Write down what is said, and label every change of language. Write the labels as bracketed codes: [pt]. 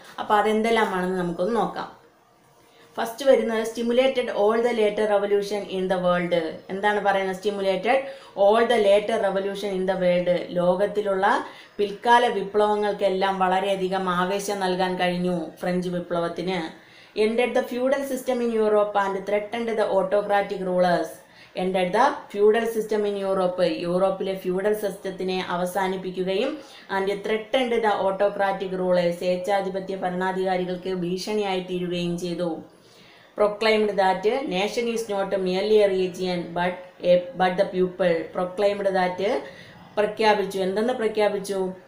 [ml] അപ്പോൾ അതെന്തെല്ലാമാണെന്ന് നമുക്കൊന്ന് നോക്കാം. ഫസ്റ്റ് വരുന്നത് [en] Stimulated all the later revolution in the world. [ml] എന്താണ് പറയുന്നത്? [en] Stimulated all the later revolution in the world. [ml] ലോകത്തിലുള്ള പിൽക്കാല വിപ്ലവങ്ങൾക്കെല്ലാം വളരെയധികം ആവേശം നൽകാൻ കഴിഞ്ഞു ഫ്രഞ്ച് വിപ്ലവത്തിന്. [en] Ended the feudal system in Europe and threatened the autocratic rulers. Ended the feudal system in Europe. [ml] യൂറോപ്പിലെ ഫ്യൂഡൽ സിസ്റ്റത്തിനെ അവസാനിപ്പിക്കുകയും [en] and threatened the autocratic rulers, [ml] ഏച്ഛാധിപത്യ ഭരണാധികാരികൾക്ക് ഭീഷണിയായിത്തീരുകയും ചെയ്തു. [en] Proclaimed that nation is not merely a region but the people. Proclaimed that [ml] പ്രഖ്യാപിച്ചു. എന്തെന്ന് പ്രഖ്യാപിച്ചു?